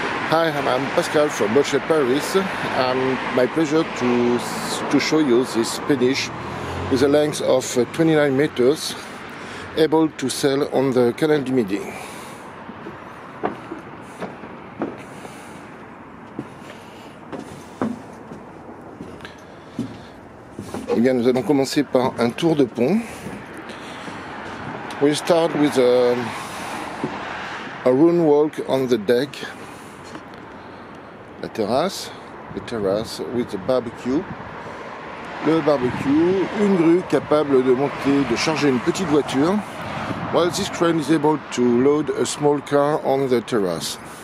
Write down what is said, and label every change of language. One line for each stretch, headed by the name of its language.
English: Hi, I'm Pascal from Beaujolais Paris. And my pleasure to show you this péniche with a length of 29 meters, able to sail on the canal du Midi.
French: Eh bien, nous allons commencer par un tour de pont.
English: We start with a rune walk on the deck, la terrasse with the barbecue.
French: Le barbecue, une grue capable de monter, de charger une petite voiture.
English: While this crane is able to load a small car on the terrace.